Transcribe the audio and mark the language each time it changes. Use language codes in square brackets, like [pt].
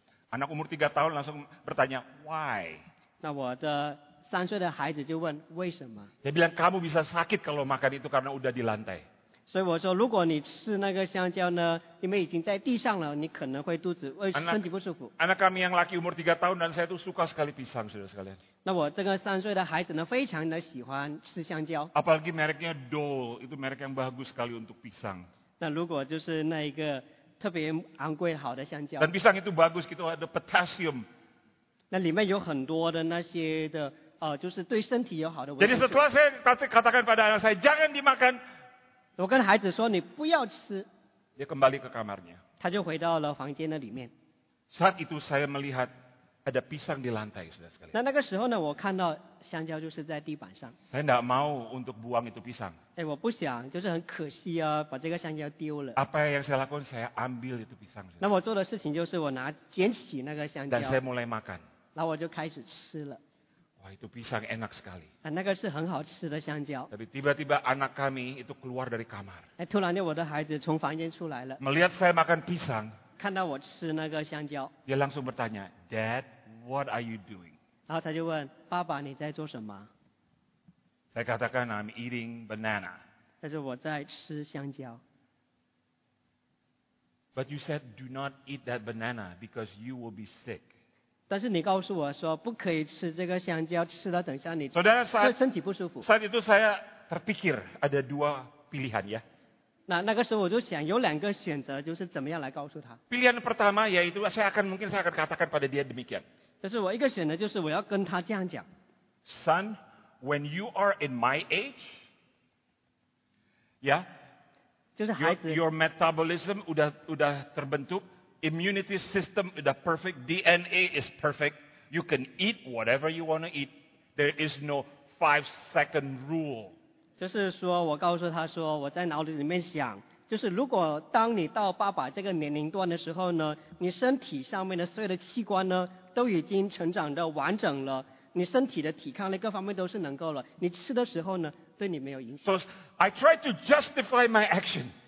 [id] Anak umur 3 tahun langsung bertanya [en] why. [zh] 那我的 三岁的孩子就问为什么？ [id] Dia bilang kamu bisa sakit kalau makan itu karena udah di lantai. [zh] 所以我说，如果你吃那个香蕉呢，因为已经在地上了，你可能会肚子，会身体不舒服。 [id] Anak kami yang laki umur 3 tahun dan saya itu suka sekali pisang, saudara sekalian. [zh] 那我这个三岁的孩子呢，非常的喜欢吃香蕉。 [id] Apalagi mereknya Dole, itu merek yang bagus sekali untuk pisang. [zh] 那如果就是那一个特别昂贵好的香蕉。 [id] Dan pisang itu bagus, itu ada potassium. [zh] 那里面有很多的那些的。就是对身体有好的。 [id] Jadi setelah saya katakan pada anak saya jangan dimakan. [zh] 我跟孩子说你不要吃。 [id] Dia kembali ke kamarnya. [zh] 他就回到了房间的里面。 [id] Saat itu saya melihat ada pisang di lantai, saudara sekalian. [zh] 那个时候呢，我看到香蕉就是在地板上。 [id] Saya tidak mau untuk buang itu pisang. [zh] 我不想，就是很可惜啊，把这个香蕉丢了。 [id] Apa yang saya lakukan? Saya ambil itu pisang. [zh] 那我做的事情就是我拿捡起那个香蕉。 [id] Dan saya mulai makan. [zh] 然后我就开始吃了。 [id] Wah, itu pisang enak sekali. [zh] 那个是很好吃的香蕉. [id] Tapi tiba-tiba anak kami itu keluar dari kamar. [zh] 突然间我的孩子从房间出来了. [id] Melihat saya makan pisang. [zh] 看到我吃那个香蕉. [id] Dia langsung bertanya, [en] Dad, what are you doing? [zh] 然后他就问爸爸你在做什么? [id] Saya katakan, [en] I'm eating banana. [zh] 但是我在吃香蕉. [en] But you said, do not eat that banana because you will be sick. [zh] 但是你告诉我说不可以吃这个香蕉，吃了等下你身体不舒服。 [id] Saat itu saya terpikir ada dua pilihan ya. [zh] 那个时候我就想有两个选择，就是怎么样来告诉他。 [id] Pilihan pertama yaitu saya akan katakan pada dia demikian. [zh] 但是我一个选择就是我要跟他这样讲。 [en] Son, when you are in my age, yeah, [zh] 就是孩子, [en] your metabolism [id] udah terbentuk. [en] Immunity system is perfect. DNA is perfect. You can eat whatever you want to eat. There is no 5-second rule. [zh] 就是说我告诉他说，我在脑子里面想，就是如果当你到爸爸这个年龄段的时候呢，你身体上面的所有的器官呢都已经成长的完整了，你身体的体抗力各方面都是能够了。你吃的时候呢，对你没有影响。 [en] So I try to justify my action.